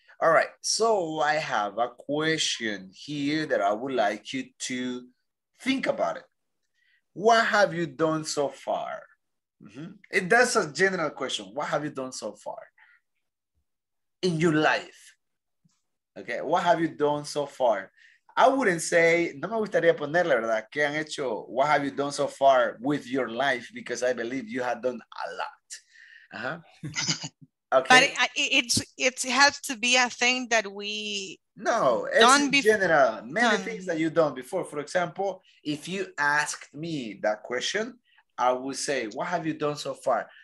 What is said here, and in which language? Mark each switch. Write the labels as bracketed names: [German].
[English] All right, so I have a question here that I would like you to think about it. What have you done so far? Mm-hmm. That's a general question. What have you done so far in your life? Okay, what have you done so far? I wouldn't say, [Spanish] no me gustaría ponerle, ¿verdad? ¿Qué han hecho? [English] What have you done so far with your life? Because I believe you have done a lot. Uh-huh. Okay. But it has to be a thing that we... No, it's done in general. Many done. Things that you've done before. For example, if you asked me that question, I would say, what have you done so far?